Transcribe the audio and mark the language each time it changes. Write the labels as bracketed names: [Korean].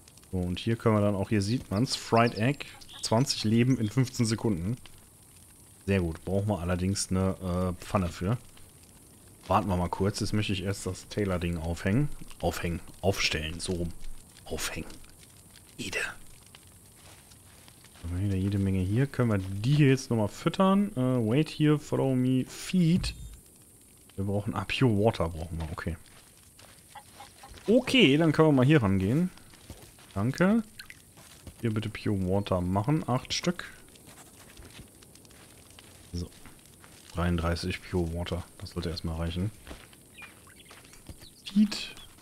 [German] So, und hier können wir dann auch, hier sieht man es, Fried Egg. 20 Leben in 15 Sekunden. Sehr gut. Brauchen wir allerdings eine Pfanne für. Warten wir mal kurz. Jetzt möchte ich erst das Taylor-Ding aufhängen. Aufhängen. Aufstellen. So. Aufhängen. Jede. Wieder jede Menge hier. Können wir die hier jetzt nochmal füttern? [English] Wait here, follow me, feed. [German] Wir brauchen... Ah, pure water brauchen wir. Okay. Okay, dann können wir mal hier rangehen. Danke. Hier bitte pure water machen. 8 Stück. So. 33 pure water. Das sollte erstmal reichen. Feed.